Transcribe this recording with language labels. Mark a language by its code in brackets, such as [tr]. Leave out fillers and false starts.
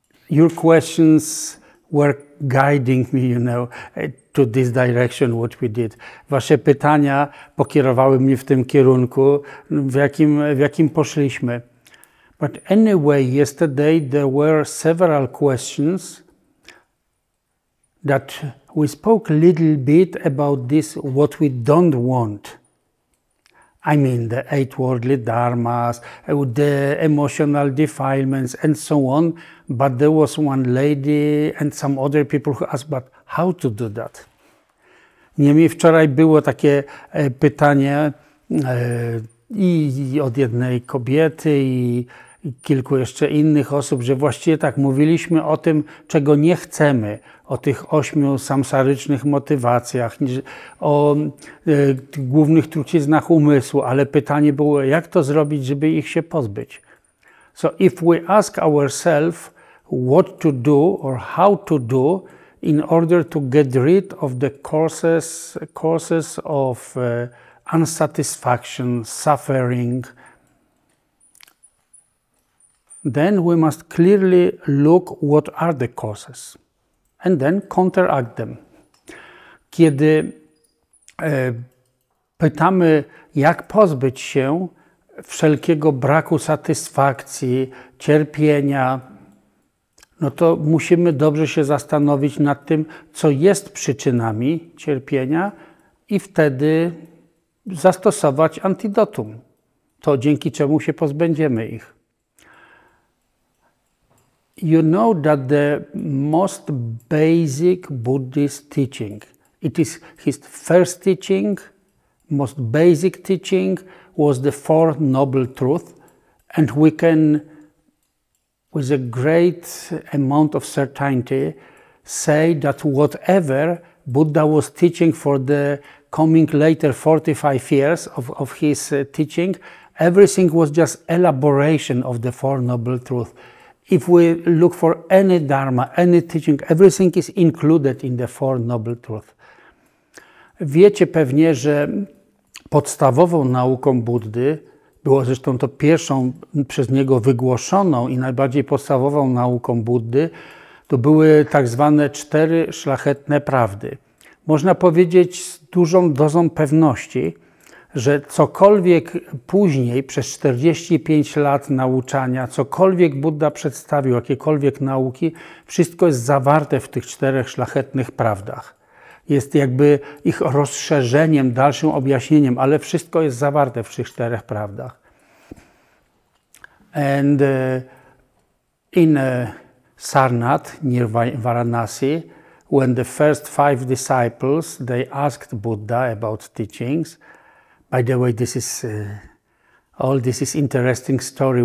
[en] Your questions were guiding me, you know, to this direction, what we did. [pl] Wasze pytania pokierowały mnie w tym kierunku, w jakim poszliśmy. [en] But anyway, yesterday there were several questions that we spoke a little bit about this, what we don't want. I mean, the eight worldly dharmas, the emotional defilements, and so on. But there was one lady and some other people who asked, but how to do that? [pl] Niemniej wczoraj było takie pytanie i od jednej kobiety i kilku jeszcze innych osób, że właściwie tak, mówiliśmy o tym, czego nie chcemy, o tych ośmiu samsarycznych motywacjach, o głównych truciznach umysłu, ale pytanie było, jak to zrobić, żeby ich się pozbyć. [en] So if we ask ourselves what to do or how to do in order to get rid of the causes of unsatisfaction, suffering, then we must clearly look what are the causes and then counteract them. [pl] Kiedy pytamy, jak pozbyć się wszelkiego braku satysfakcji, cierpienia, no to musimy dobrze się zastanowić nad tym, co jest przyczynami cierpienia i wtedy zastosować antidotum, to dzięki czemu się pozbędziemy ich. [en] You know that the most basic Buddhist teaching, it is his first teaching, most basic teaching, was the Four Noble Truths, and we can, with a great amount of certainty, say that whatever Buddha was teaching for the coming later 45 years of his teaching, everything was just elaboration of the Four Noble Truths. If we look for any dharma, any teaching, everything is included in the Four Noble Truths. [pl] Wiecie pewnie, że podstawową nauką Buddy, było zresztą to pierwszą przez niego wygłoszoną i najbardziej podstawową nauką Buddy, to były tak zwane cztery szlachetne prawdy. Można powiedzieć z dużą dozą pewności, że cokolwiek później, przez 45 lat nauczania, cokolwiek Budda przedstawił, jakiekolwiek nauki, wszystko jest zawarte w tych czterech szlachetnych prawdach. Jest jakby ich rozszerzeniem, dalszym objaśnieniem, ale wszystko jest zawarte w tych czterech prawdach. [en] And in Sarnath, near Varanasi, when the first five disciples, they asked Buddha about teachings. By the way, this is all this is interesting story.